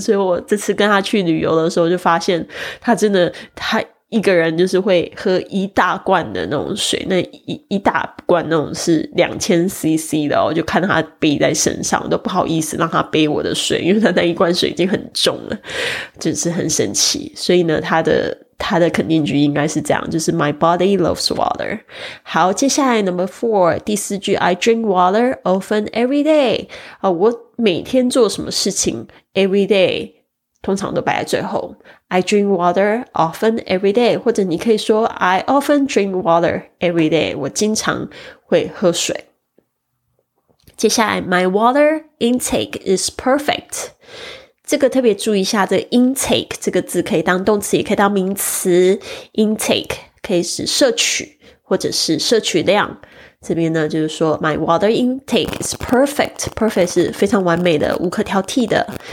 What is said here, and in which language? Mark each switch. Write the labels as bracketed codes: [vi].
[zh] 所以我这次跟他去旅游的时候就发现他真的，他一个人就是会喝一大罐的那种水，那 一大罐那种是 2000cc 的，我就看他背在身上都不好意思让他背我的水，因为他那一罐水已经很重了，真是很神奇。所以呢他的肯定句应该是这样，就是 [en] My body loves water。 [zh] 好，接下来 [en] number four [zh] 第四句， [en] I drink water often every day、 [zh] 我每天做什么事情 every day 通常都摆在最后。 [en] I drink water often every day， [zh] 或者你可以说 [en] I often drink water every day， [zh] 我经常会喝水。接下来 [en] My water intake is perfect， [zh] 这个特别注意一下，这个 intake 这个字可以当动词也可以当名词。 intake 可以是摄取或者是摄取量，这边呢就是说 [en] My water intake is perfect， [zh] perfect 是非常完美的，无可挑剔的。